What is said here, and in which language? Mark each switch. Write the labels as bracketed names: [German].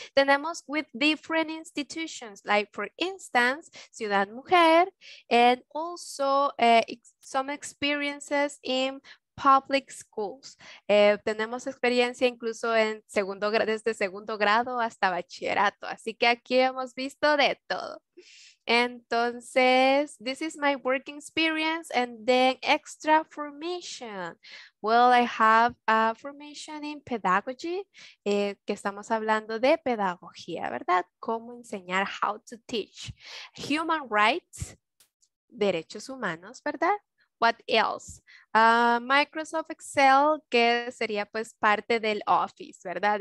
[Spanish] Tenemos [English] with different institutions, like for instance, Ciudad Mujer, and also some experiences in public schools. [Spanish] Tenemos experiencia incluso en desde segundo grado hasta bachillerato, así que aquí hemos visto de todo. [English] Entonces, this is my working experience and then extra formation. Well, I have a formation in pedagogy, [Spanish] que estamos hablando de pedagogía, ¿verdad? Cómo enseñar, [English] how to teach. Human rights, [Spanish] derechos humanos, ¿verdad? [English] What else? [Spanish] Microsoft Excel, que sería pues parte del Office, ¿verdad?